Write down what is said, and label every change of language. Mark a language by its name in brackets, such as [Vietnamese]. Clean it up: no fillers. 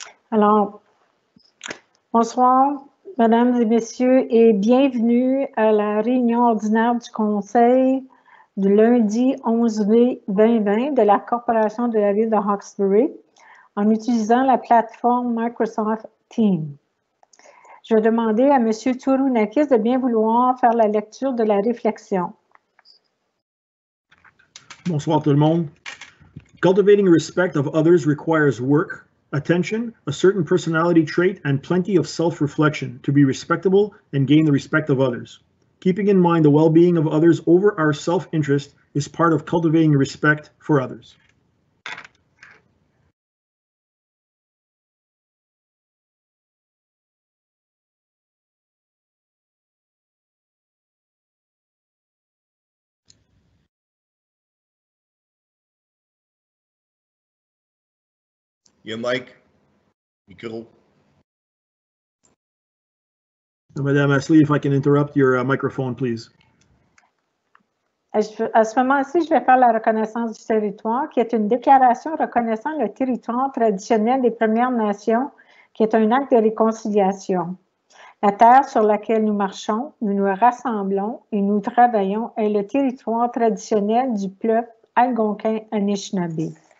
[French] Alors, bonsoir, Mesdames et Messieurs, et bienvenue à la réunion ordinaire du Conseil du lundi 11 mai 2020 de la Corporation de la Ville de Hawkesbury en utilisant la plateforme Microsoft Teams. Je vais demander à Monsieur Tourounakis de bien vouloir faire la lecture de la réflexion. Bonsoir tout le monde. [English] Cultivating respect of others requires work, attention, a certain personality trait, and plenty of self-reflection to be respectable and gain the respect of others. Keeping in mind the well-being of others over our self-interest is part of cultivating respect for others. Your mic, micro. Madame Asley, if I can interrupt your microphone, please. [French] À ce moment-ci, je vais faire la reconnaissance du territoire, qui est une déclaration reconnaissant le territoire traditionnel des Premières Nations, qui est un acte de réconciliation. La terre sur laquelle nous marchons, nous nous rassemblons et nous travaillons est le territoire traditionnel du peuple algonquin-anishinabé.